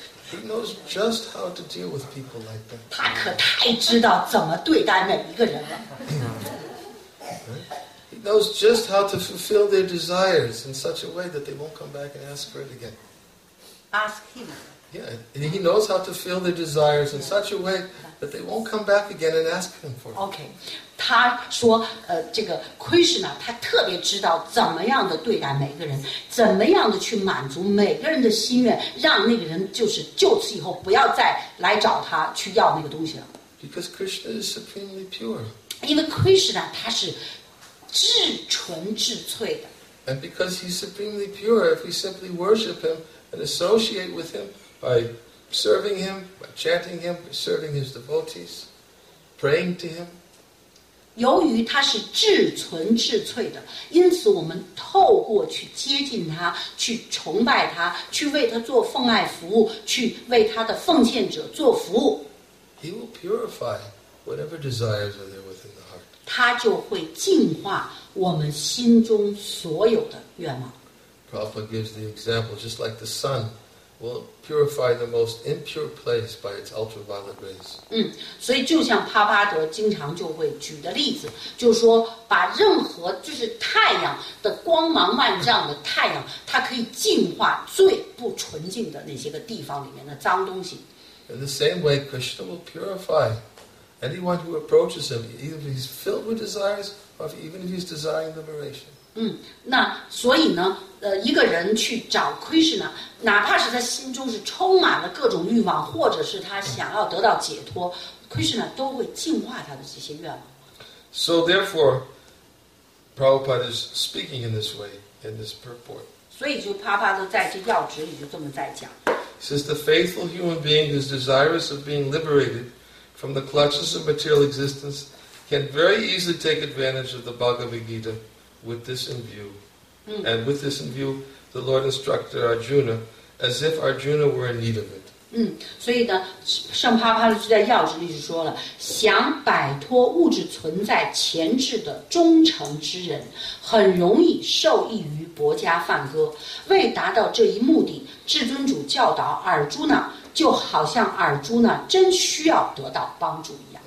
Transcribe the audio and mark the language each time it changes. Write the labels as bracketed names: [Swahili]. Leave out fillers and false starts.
[English] He knows just how to deal with people like that. [Chinese] 他可太知道怎么对待每一个人了。 [English] He knows just how to fulfill their desires in such a way that they won't come back and ask for it again. Ask him. Yeah, and he knows how to fill their desires in such a way that they won't come back again and ask him for it. [Chinese] Okay, 他说，这个 Krishna 他特别知道怎么样的对待每个人，怎么样的去满足每个人的心愿，让那个人就是就此以后不要再来找他去要那个东西了。 [English] Because Krishna is supremely pure. [Chinese] 因为 Krishna 他是至纯至粹的。 [English] And because he's supremely pure, if we simply worship him and associate with him. By serving him, by chanting him, by serving his devotees, praying to him, [Chinese] 由于它是至纯至粹的，因此我们透过去接近它，去崇拜它，去为它做奉爱服务，去为它的奉献者做服务。 [English] He will purify whatever desires are there within the heart. [Chinese] 他就会净化我们心中所有的愿望。 [English] Prabhupada gives the example, just like the sun will purify the most impure place by its ultraviolet rays. [Chinese] 嗯，所以就像帕巴德经常就会举的例子，就是说把任何就是太阳的光芒万丈的太阳，它可以净化最不纯净的那些个地方里面的脏东西。 [English] In the same way, Krishna will purify anyone who approaches him, even if he's filled with desires, or even if he's desiring liberation. [Chinese] 嗯，那所以呢，一个人去找 Krishna， 哪怕是他心中是充满了各种欲望，或者是他想要得到解脱 ，Krishna 都会净化他的这些愿望。 [English] So therefore, Prabhupada is speaking in this way in this purport. [Chinese] 所以就帕帕都在这要旨里就这么在讲。 [English] Since the faithful human being who is desirous of being liberated from the clutches of material existence can very easily take advantage of the Bhagavad Gita with this in view.、 Mm. And with this in view, the Lord instructed Arjuna as if Arjuna were in need of it. [Chinese] 嗯，所以呢，圣帕帕就在要旨里就说了，想摆脱物质存在前置的忠诚之人，很容易受益于薄伽梵歌。为达到这一目的，至尊主教导尔朱呢，就好像尔朱呢真需要得到帮助一样。